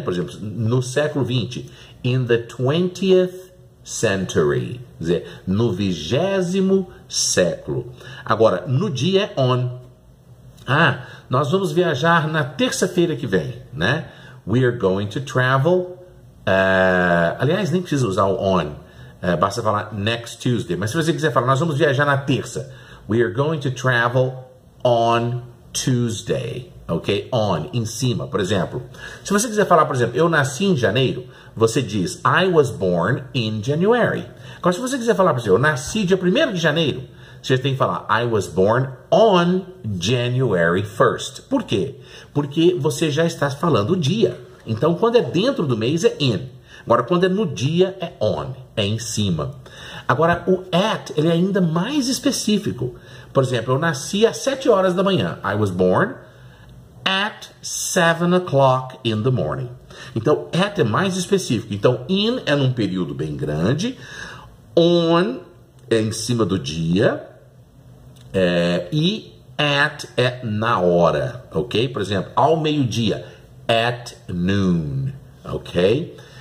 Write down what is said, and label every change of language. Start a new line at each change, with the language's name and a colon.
Portuguese: Por exemplo, no século XX,
English: in the 20th century,
Portuguese: quer dizer, no 20º século. Agora, no dia é on. Ah, nós vamos viajar na terça-feira que vem, né?
English: We are going to travel.
Portuguese: Aliás, nem precisa usar o on, basta falar
English: next Tuesday.
Portuguese: Mas se você quiser falar, nós vamos viajar na terça.
English: We are going to travel on Tuesday, ok?
Portuguese: On, em cima, por exemplo. Se você quiser falar, por exemplo, eu nasci em janeiro, você diz
English: I was born in January.
Portuguese: Agora, se você quiser falar, por exemplo, eu nasci dia 1º de janeiro, você tem que falar
English: I was born on January 1st.
Portuguese: Por quê? Porque você já está falando o dia. Então, quando é dentro do mês, é in. Agora, quando é no dia, é on, é em cima. Agora, o at, ele é ainda mais específico. Por exemplo, eu nasci às 7 horas da manhã.
English: I was born at 7 o'clock in the morning.
Portuguese: Então, at é mais específico. Então, in é num período bem grande. On é em cima do dia. E at é na hora, ok? Por exemplo, ao meio-dia,
English: at noon,
Portuguese: ok?